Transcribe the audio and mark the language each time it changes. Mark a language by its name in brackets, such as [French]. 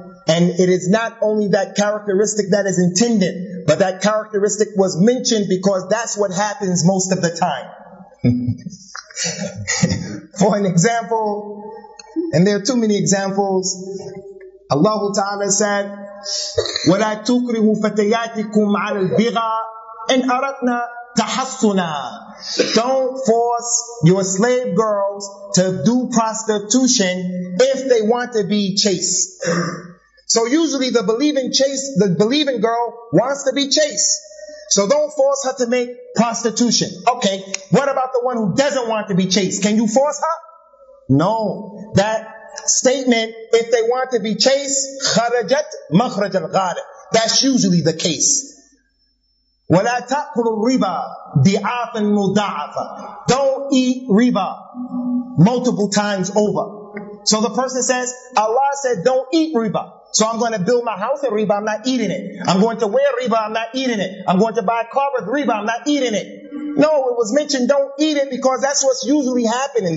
[English] And it is not only that characteristic that is intended, but that characteristic was mentioned because that's what happens most of the time. For an example, and there are too many examples. Allah Ta'ala said, [Arabic] ولا تكرهوا فتياتكم على البغاء إن أردنا تحصنا. [English] Don't force your slave girls to do prostitution if they want to be chaste. So usually the believing girl wants to be chaste. So don't force her to make prostitution. Okay, what about the one who doesn't want to be chaste? Can you force her? No. That statement, if they want to be chaste, [Arabic] خرجت مخرج الغالب. [English] That's usually the case. [Arabic] وَلَا تَأْكُلُ الرِّبَى ضِعَافًا مُضَاعَفًا. [English] Don't eat riba multiple times over. So the person says, Allah said, don't eat riba. So I'm going to build my house with riba, I'm not eating it. I'm going to wear riba, I'm not eating it. I'm going to buy a car with riba, I'm not eating it. No, it was mentioned, don't eat it, because that's what's usually happening.